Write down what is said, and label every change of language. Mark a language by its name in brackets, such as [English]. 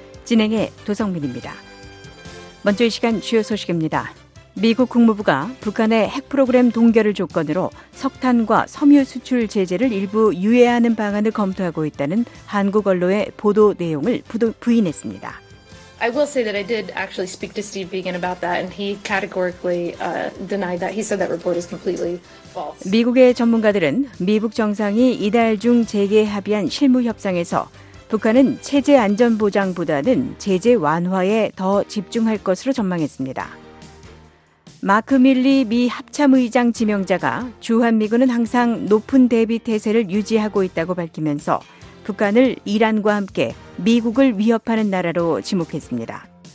[Korean] 진행해 도성민입니다. 먼저 이 시간 주요 소식입니다. 미국 국무부가 북한의 핵 프로그램 동결을 조건으로 석탄과 섬유 수출 제재를 일부 유예하는 방안을 검토하고 있다는 한국 언론의 보도 내용을 부인했습니다. [English] I will say that I did actually speak to Steve Beegan about that and he categorically denied that. He said that report is completely false. [Korean] 미국의 전문가들은 미북 정상이 이달 중 재개 합의한 실무 협상에서 북한은 체제 안전보장보다는 제재 완화에 더 집중할 것으로 전망했습니다. 마크 밀리 미 합참의장 지명자가 주한미군은 항상 높은 대비태세를 유지하고 있다고 밝히면서 북한을 이란과 함께 미국을 위협하는 나라로 지목했습니다.